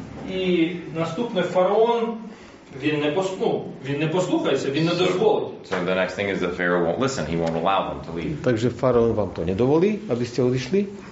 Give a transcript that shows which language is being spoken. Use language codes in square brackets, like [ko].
[uk] І наступний фараон, він не послухається, він не дозволить. [en] So the next thing is that Pharaoh won't listen, he won't allow them to leave. [rue] Так же фараон вам то не дозволить, аби сте одійшли.